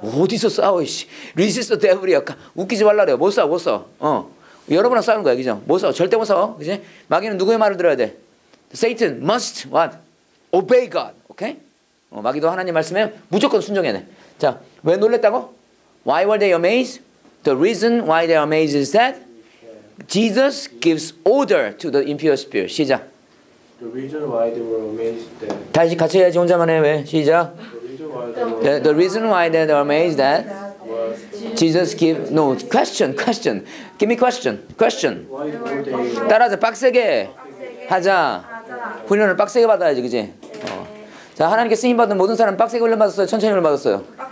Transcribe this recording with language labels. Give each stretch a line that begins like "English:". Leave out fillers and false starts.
Korean: 어디서 싸워, 이씨.
English: Resist the devil.
Korean: 웃기지 말라 그래요. 못 싸워. 여러분이랑 싸우는 거야, 그죠? 못 싸워. 절대 못 싸워. 그치? 마귀는 누구의 말을 들어야 돼?
English: Satan must what? Obey God. Okay?
Korean: 마귀도 하나님 말씀에 무조건 순종해야 돼. 자, 왜 놀랬다고?
English: Why were they amazed? The reason why they are amazed is that Jesus gives order to the impure spirit.
Korean: 시작.
English: The reason why they were amazed that.
Korean: 다시 같이 해야지 혼자만 해 왜 시작.
English: The reason why they were amazed that. Jesus give no question question. Give me question question.
Korean: 따라서 빡세게 하자. 훈련을 빡세게 받아야지 그지. 자 하나님께 쓰임 받은 모든 사람 빡세게 훈련 받았어요. 천천히 훈련 받았어요.